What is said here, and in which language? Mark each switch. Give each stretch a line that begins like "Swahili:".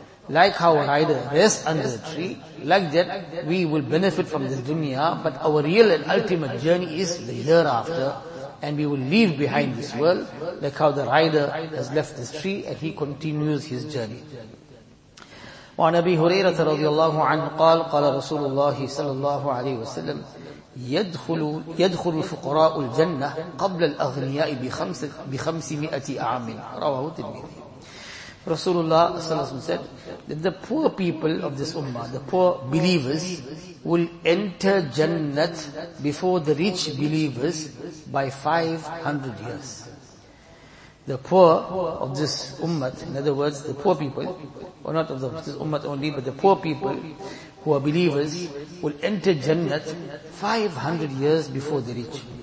English: Like how a rider rests under a tree, like that we will benefit from this dunya, but our real and ultimate journey is the hereafter, and we will leave behind this world, like how the rider has left this tree, and he continues his journey.
Arabic: وعن أبي هريرة رضي الله عنه قال قال رسول الله صلى الله عليه وسلم يدخل الفقراء الجنة قبل الأغنياء بخمسمائة عام. رواه الترمذي.
English: Rasulullah sallallahu alaihi wasallam said that the poor people of this ummah, the poor believers, will enter Jannat before the rich believers by 500 years. The poor of this ummah, in other words, the poor people, or not of this ummah only, but the poor people who are believers, will enter Jannat 500 years before the rich.